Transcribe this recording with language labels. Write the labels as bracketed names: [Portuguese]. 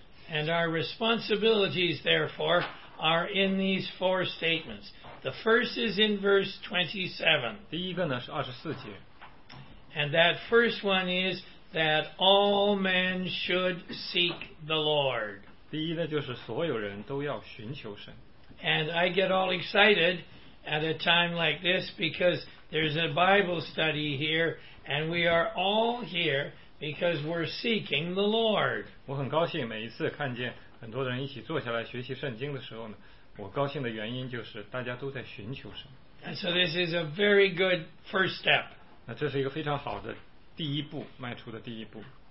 [English] And our responsibilities, therefore, are in these four statements. The first is in verse 27. [Chinese] 第一个呢是二十四节。 [English] And that first one is that all men should seek the Lord. [Chinese] 第一呢就是所有人都要寻求神。 [English] And I get all excited at a time like this because there's a Bible study here and we are all here because we're seeking the Lord. [Chinese] 我很高兴每一次看见很多人一起坐下来学习圣经的时候呢，我高兴的原因就是大家都在寻求神。 [English] And so this is a very good first step. [Chinese] 那这是一个非常好的第一步，迈出的第一步。